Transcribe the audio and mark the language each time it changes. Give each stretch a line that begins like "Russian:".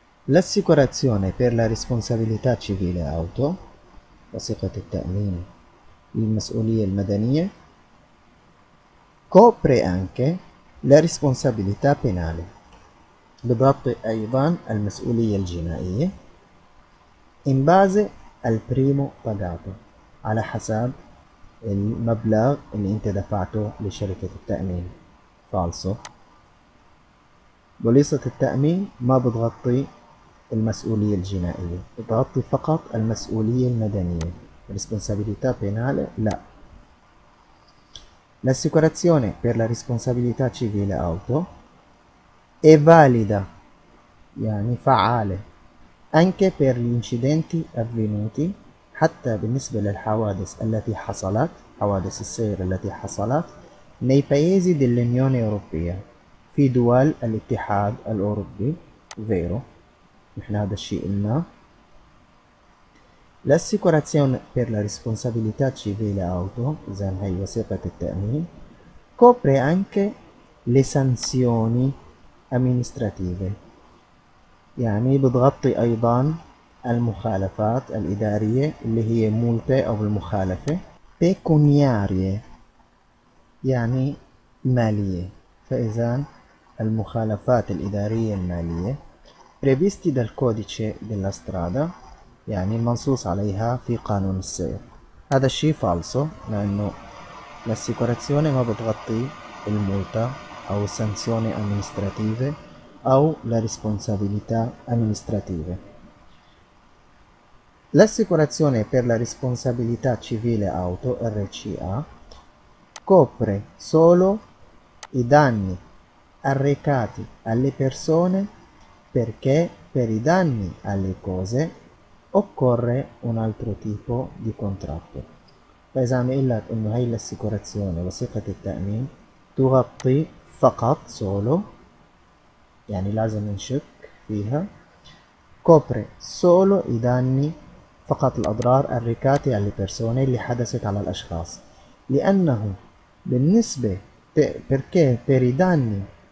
Italian: L'assicurazione per la responsabilità civile auto,
Arabic: وثيقة التأمين للمسؤولية المدنية,
Italian: copre anche la responsabilità penale,
Arabic: بتغطي أيضا المسؤولية الجنائية,
Italian: in base al primo pagato,
Arabic: على حساب المبلغ اللي أنت دفعته لشركة التأمين.
Italian: Falso.
Arabic: بوليصة التأمين ما بتغطي المسؤولية الجنائية, بتغطي فقط المسؤولية المدنية.
Italian: Responsabilità penale
Arabic: لا.
Italian: L'assicurazione per la responsabilità civile auto è valida,
Arabic: يعني فعالة,
Italian: anche per gli incidenti avvenuti,
Arabic: حتى بالنسبة للحوادث التي حصلت,
Italian: حوادث السير التي حصلت, nei paesi dell'Unione Europea,
Arabic: في دول الاتحاد الأوروبي.
Italian: vero,
Arabic: نحن هذا الشيء قلنا.
Italian: L'assicurazione per la responsabilità civile auto,
Arabic: زين هي وثيقة التأمين,
Italian: copre anche le sanzioni amministrative,
Arabic: يعني بتغطي أيضا المخالفات الإدارية اللي هي مولتة أو المخالفة,
Italian: pecuniarie
Arabic: يعني مالية, فإذا المخالفات الإدارية المالية,
Italian: previsti dal codice della strada,
Arabic: يعني منصوص عليها في قانون السير. هذا الشيء فالسو, لأنه l'assicurazione ما بتغطي المولتة أو
Italian: sanzioni amministrative
Arabic: أو
Italian: la responsabilità amministrative. L'assicurazione per la responsabilità civile auto, RCA, copre solo i danni arrecati alle persone, perché per i danni alle cose occorre un altro tipo di contratto. Per esempio, il danno è l'assicurazione, la sicurezza del ta'min, tu
Arabic: غطي فقط
Italian: solo,
Arabic: يعني لازم نشك فيها,
Italian: copre solo i danni,
Arabic: فقط الأضرار الركات على البرسوني اللي حدثت على الأشخاص, لأنه بالنسبة
Italian: perché per i danni